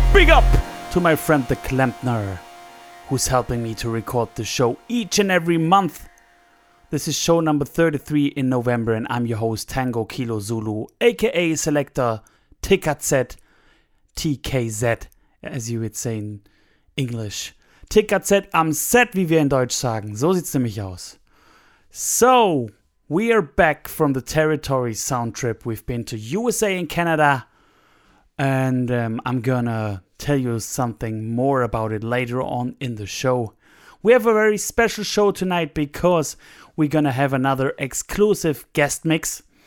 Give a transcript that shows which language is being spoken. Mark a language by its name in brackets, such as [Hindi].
[English] Big up to my friend the Klempner, who's helping me to record the show each and every month. This is show number 33 in November, and I'm your host, Tango Kilo Zulu, aka Selector TKZ, TKZ, as you would say in English. [German] TKZ am Set, wie wir in Deutsch sagen. So sieht's nämlich aus. [English] So, we are back from the territory sound trip. We've been to USA and Canada, and I'm gonna tell you something more about it later on in the show. We have a very special show tonight because we're gonna have another exclusive guest mix.